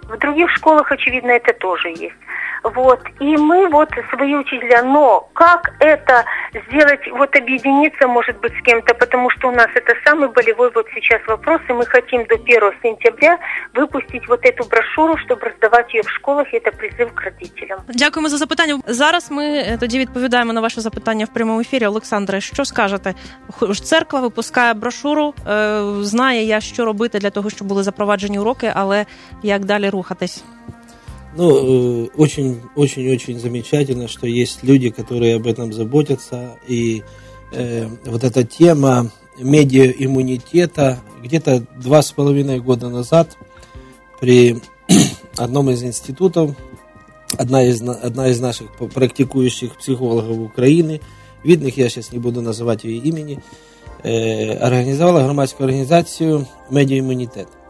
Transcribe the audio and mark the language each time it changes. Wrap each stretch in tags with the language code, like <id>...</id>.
<ru>В других школах, очевидно, это тоже есть. Вот. И мы вот свои учителя, но как это сделать, вот объединиться, может быть, с кем-то, потому что у нас это самый болевой вот сейчас вопрос, и мы хотим до 1 сентября выпустить вот эту брошюру, чтобы раздавать ее в школах, и это призыв к родителям.</ru> <uk>Дякуємо за запитання. Зараз ми тоді відповідаємо на ваше запитання в прямому ефірі. Олександре, що скажете? Церква випускає брошуру, знає я, що робити для того, щоб були запроваджені уроки, але як далі рухатись?</uk> <ru>Ну, очень-очень-очень замечательно, что есть люди, которые об этом заботятся. И вот эта тема медиа-иммунитета, где-то 2,5 года назад при одном из институтов, одна из наших практикующих психологов Украины, видных, я сейчас не буду называть ее имени, организовала громадскую организацию «Медиа-иммунитет».</ru>